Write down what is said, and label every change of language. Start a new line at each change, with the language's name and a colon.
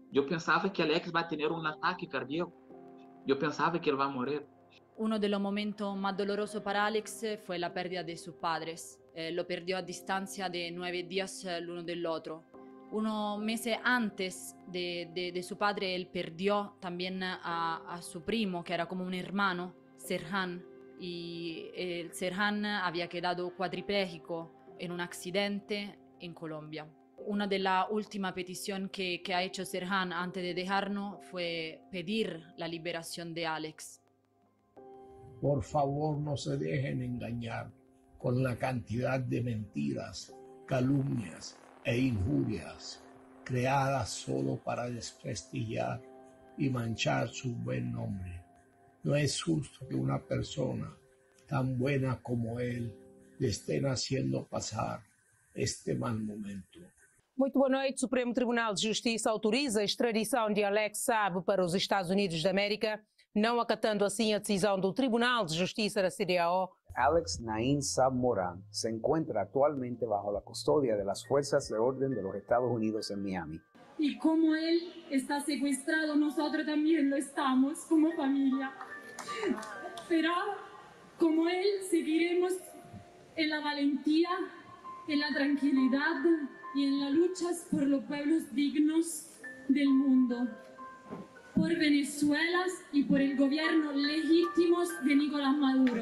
Portuguese: Eu pensava que Alex vai ter um ataque cardíaco. Eu pensava que ele vai morrer.
Spanish: Uno de los momentos más dolorosos para Alex fue la pérdida de sus padres. Lo perdió a distancia de 9 días
Italian: l'uno dell'altro.
Spanish: Unos meses antes de su padre, él perdió también a su primo, que era como un hermano, Serhan. Y Serhan había quedado cuadripléjico en un accidente en Colombia. Una de las últimas peticiones que ha hecho Serhan antes de dejarnos fue pedir la liberación de Alex. Por favor, no se dejen engañar con la cantidad de mentiras, calumnias e injurias creadas solo para desprestigiar y manchar su buen nombre. No es justo que una persona tan buena como él le estén haciendo pasar este mal momento.
Portuguese: Muito boa noite. O Supremo Tribunal de Justiça autoriza a extradição de Alex Saab para os Estados Unidos da América, não acatando assim a decisão do Tribunal de Justiça da CDAO.
Spanish: Alex Naim Saab Moran se encuentra atualmente bajo la custodia de las Fuerzas de Orden de los Estados Unidos en Miami. Y como él está secuestrado, nosotros también lo estamos como familia. Pero como él, seguiremos en la valentía, en la tranquilidad y en las luchas por los pueblos dignos del mundo, por Venezuela y por el gobierno legítimo de Nicolás Maduro.